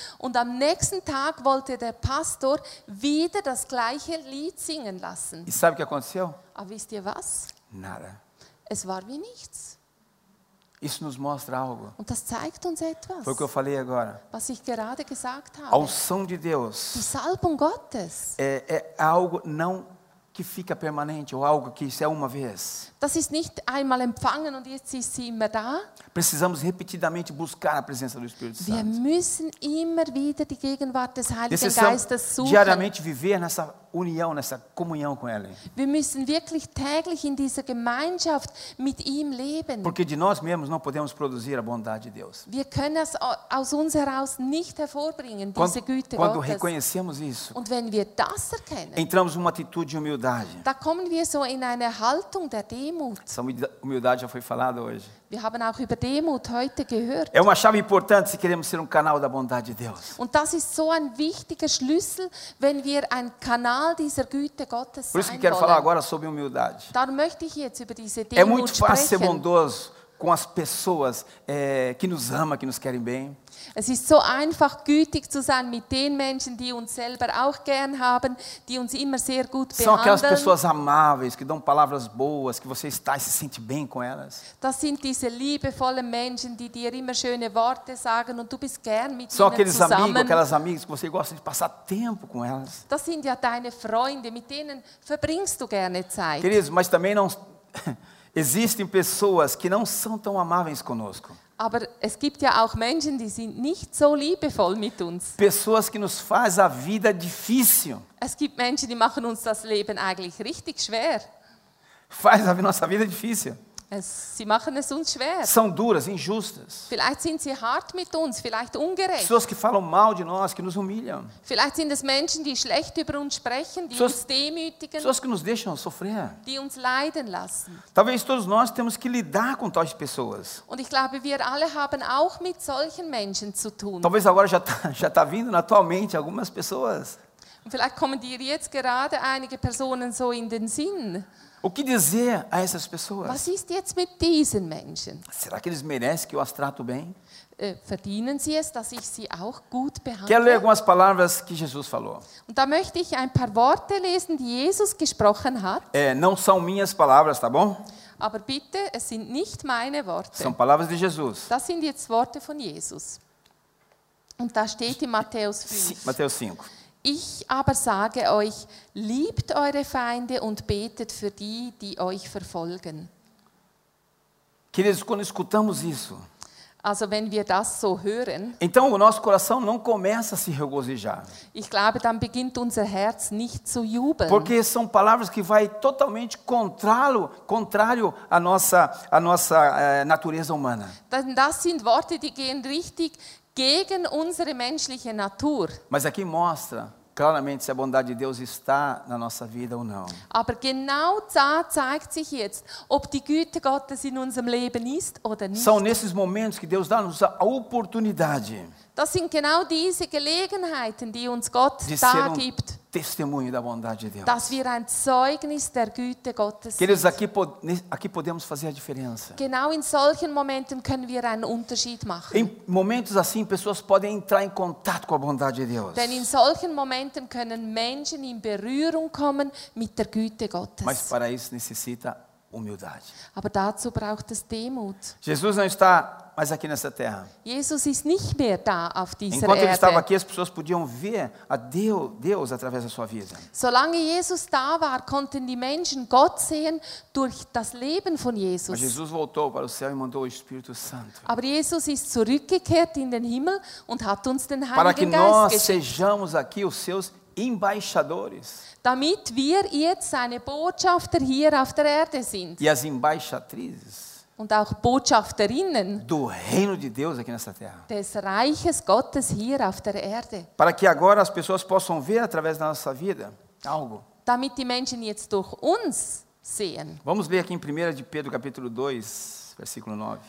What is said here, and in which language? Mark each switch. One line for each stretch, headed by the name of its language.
German: Und am nächsten Tag wollte der Pastor wieder das gleiche Lied singen lassen.
Portuguese: E sabe o que aconteceu?
German: Aber wisst ihr was?
Portuguese: Nada.
German: Es war wie nichts.
Portuguese: Isso nos mostra algo.
German: Und das zeigt uns etwas.
Portuguese: Foi o que eu falei agora.
German: Was ich gerade gesagt habe.
Portuguese: A unção de Deus.
German: Die Salbung Gottes.
Portuguese: É algo não que fica permanente ou algo que isso é uma vez.
German: Das ist nicht einmal empfangen und jetzt ist sie immer da.
Portuguese: Precisamos repetidamente buscar a presença do Espírito Santo.
German: Wir müssen immer wieder die Gegenwart des Heiligen Geistes suchen.
Portuguese: Diariamente viver nessa união, nessa comunhão com ele.
German: Wir müssen wirklich täglich in dieser Gemeinschaft mit ihm leben.
Portuguese: Porque de nós mesmos não podemos produzir a bondade de Deus.
German: Wir können es aus uns heraus nicht hervorbringen, diese Güte Gottes.
Portuguese: Quando reconhecemos isso.
German: Und wenn wir das erkennen.
Portuguese: Entramos numa atitude de humildade.
German: Da kommen wir so in eine Haltung der Demut.
Portuguese: Essa humildade já foi falada hoje.
German: Wir haben auch über Demut heute gehört.
Portuguese: É uma chave importante se queremos ser canal da bondade de Deus.
German: Und das ist so ein wichtiger Schlüssel, wenn wir ein Kanal dieser Güte Gottes sein.
Portuguese: Por isso que
German: wollen.
Portuguese: Quero falar agora sobre humildade.
German: Darum möchte ich jetzt über diese Demut
Portuguese: é muito fácil
German: sprechen.
Portuguese: Ser bondoso com as pessoas que nos ama, que nos querem bem.
German: Es ist so einfach gütig zu sein mit den Menschen, die uns selber auch gern haben, die uns immer sehr gut behandeln.
Portuguese: São aquelas pessoas amáveis, que dão palavras boas, que você está e se sente bem com elas.
German: Das sind diese liebevollen Menschen, die dir immer schöne Worte sagen und du bist gern mit
Portuguese: São
German: ihnen
Portuguese: aqueles
German: zusammen.
Portuguese: Amigos, aquelas amigas que você gosta de passar tempo com elas.
German: Das sind ja deine Freunde, mit denen verbringst du gerne Zeit.
Portuguese: Queridos, mas também não existem pessoas que não são tão amáveis conosco.
German: Aber es gibt ja auch Menschen, die sind nicht so liebevoll mit uns.
Portuguese: Pessoas que nos faz a vida difícil.
German: Es gibt Menschen, die machen uns das Leben eigentlich richtig schwer.
Portuguese: Faz a nossa vida difícil.
German: Sie machen es uns schwer.
Portuguese: São duras, injustas.
German: Vielleicht sind sie hart mit uns, vielleicht ungerecht.
Portuguese: Pessoas que falam mal de nós, que nos humilham.
German: Vielleicht sind es Menschen, die schlecht über uns sprechen, die uns demütigen.
Portuguese: Pessoas que nos deixam sofrer.
German: Die uns leiden lassen.
Portuguese: Talvez todos nós temos que lidar com tais pessoas.
German: Und ich glaube, wir alle haben auch mit solchen Menschen zu tun.
Portuguese: Talvez agora já tá vindo atualmente algumas pessoas.
German: Und vielleicht kommen dir jetzt gerade einige Personen so in den Sinn.
Portuguese: O que dizer a essas pessoas?
German: Was ist jetzt mit diesen Menschen?
Portuguese: Será que eles merecem que eu as trato bem?
German: Verdienen sie es, dass ich sie auch gut behandle?
Portuguese: Quero ler algumas palavras que Jesus falou.
German: Und da möchte ich ein paar Worte lesen, die Jesus gesprochen hat.
Portuguese: Não são minhas palavras, tá bom?
German: Aber bitte, es sind nicht meine Worte.
Portuguese: São palavras de Jesus.
German: Das sind jetzt Worte von Jesus. Und da steht in Matthäus 5. Matthäus 5. Ich aber sage euch, liebt eure Feinde und betet für die, die euch verfolgen.
Portuguese: Queridos, quando escutamos isso,
German: also wenn wir das so hören,
Portuguese: então o nosso coração não começa a se regozijar.
German: Ich glaube, dann beginnt unser Herz nicht zu jubeln.
Portuguese: Porque são palavras que vai totalmente contrário à nossa natureza humana.
German: Das sind Worte, die gehen richtig gegen unsere menschliche Natur.
Portuguese: Mas aqui mostra claramente se a bondade de Deus está na nossa vida ou não.
German: Aber genau da zeigt sich jetzt, ob die Güte Gottes in unserem Leben ist oder nicht.
Portuguese: São nesses momentos que Deus dá-nos a oportunidade.
German: Das sind genau diese Gelegenheiten, die uns Gott
Portuguese: de
German: da gibt.
Portuguese: Testemunho da bondade de Deus.
German: Dass wir ein Zeugnis der Güte Gottes sind.
Portuguese: Queridos, aqui podemos fazer a diferença.
German: Genau in solchen Momenten können wir einen Unterschied machen.
Portuguese: Em momentos assim, pessoas podem entrar em contato com a bondade de Deus.
German: Denn in solchen Momenten können Menschen in Berührung kommen mit der Güte Gottes.
Portuguese: Mas para isso necessita humildade.
German: Aber dazu braucht es Demut.
Portuguese: Jesus não está mais aqui nessa terra.
German: Jesus ist nicht mehr da auf dieser Erde.
Portuguese: Enquanto ele estava aqui, as pessoas podiam ver a Deus através da sua vida.
German: Solange Jesus da war, konnten die Menschen Gott sehen durch das Leben von Jesus.
Portuguese: Mas Jesus voltou para o céu e mandou o Espírito Santo.
German: Aber Jesus ist zurückgekehrt in den Himmel und hat uns den Heiligen Geist geschenkt.
Portuguese: Para que nós sejamos aqui os seus embaixadores.
German: Damit wir jetzt seine Botschafter hier auf der Erde sind.
Portuguese: E as embaixatrizes.
German: Und auch Botschafterinnen
Portuguese: do reino de Deus aqui nessa terra.
German: Des Reiches Gottes hier auf der Erde.
Portuguese: Para que agora as pessoas possam ver através da nossa vida algo.
German: Damit die Menschen jetzt durch uns sehen.
Portuguese: Vamos ler aqui em 1 de Pedro capítulo 2, versículo 9.